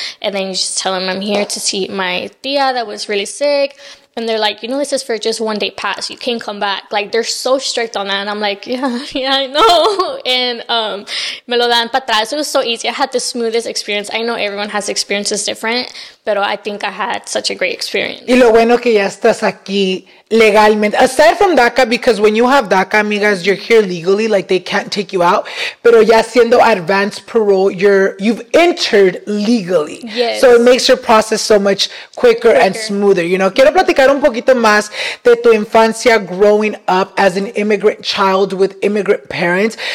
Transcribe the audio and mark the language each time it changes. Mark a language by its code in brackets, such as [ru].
[en] And then you just tell them, I'm here to see my tía that was really sick. And they're like, you know, this is for just one day pass. You can't come back. Like, they're so strict on that. And I'm like, yeah, I know. And [es] me lo dan para atrás. [en] It was so easy. I had the smoothest experience. I know everyone has experiences different, but I think I had such a great experience. [es] Y lo bueno que ya estás aquí legalmente. [en] Aside from DACA, because when you have DACA, amigas, you're here legally. Like, they can't take you out. [es] Pero ya siendo [en] advanced parole, you've entered legally. Yes. So it makes your process so much quicker and smoother, you know. [es] Quiero platicar un poquito más de tu infancia [en] growing up as an immigrant child with immigrant parents.